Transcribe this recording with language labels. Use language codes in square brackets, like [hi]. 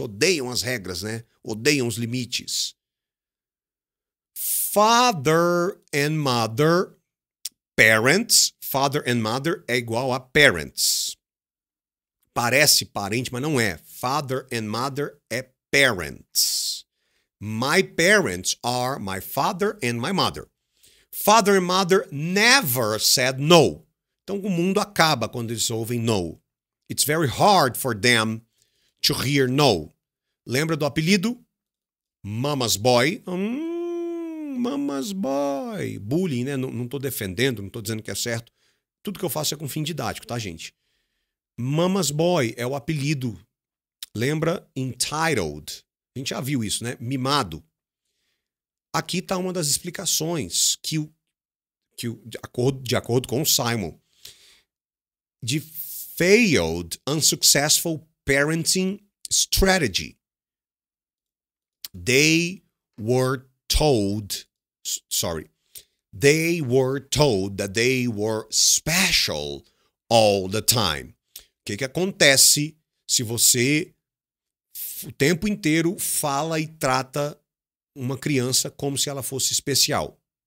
[pt] Odeiam as regras, né? Odeiam os limites. [en] Father and mother, parents. Father and mother [pt] é igual a parents. Parece parente, mas não é. [en] Father and mother é parents. My parents are my father and my mother. Father and mother never said no. [pt] Então o mundo acaba quando eles ouvem no. [en] It's very hard for them to hear no. [pt] Lembra do apelido? [en] Mama's boy. Mama's boy. Bullying, né? [pt] Não tô defendendo, não tô dizendo que é certo. Tudo que eu faço é com fim didático, tá, gente? [en] Mama's boy [pt] é o apelido. Lembra? Entitled. A gente já viu isso, né? Mimado. Aqui tá uma das explicações de acordo com o Simon. [en] De failed, unsuccessful parenting strategy. They were told that they were special all the time. [pt] O que que acontece se você o tempo inteiro fala e trata uma criança como se ela fosse especial?